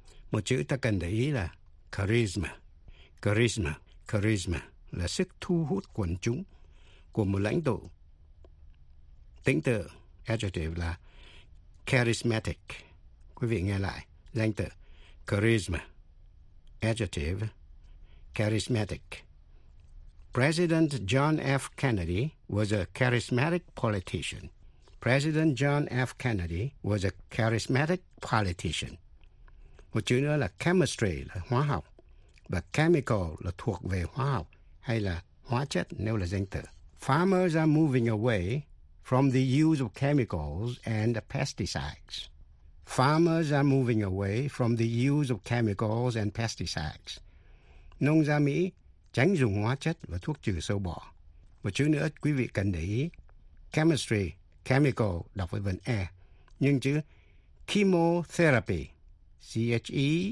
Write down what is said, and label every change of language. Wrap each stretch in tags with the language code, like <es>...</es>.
<vi>Một chữ ta cần để ý là charisma, charisma, charisma, là sức thu hút quần chúng của một lãnh tụ. Tính từ, adjective là charismatic. Quý vị nghe lại, danh từ charisma, adjective, charismatic.</vi> <en>President John F. Kennedy was a charismatic politician. President John F. Kennedy was a charismatic politician.</en> <vi>Một chữ nữa là chemistry, là hóa học. Và chemical là thuộc về hóa học hay là hóa chất nếu là danh từ.</vi> <en>Farmers are moving away from the use of chemicals and pesticides. Farmers are moving away from the use of chemicals and pesticides.</en> <vi>Nông gia Mỹ tránh dùng hóa chất và thuốc trừ sâu bọ. Một chữ nữa quý vị cần để ý. Chemistry, chemical, đọc với vần E. Nhưng chữ chemotherapy, C-H-E-M-O-T-H-E-R-A-P-Y.</vi>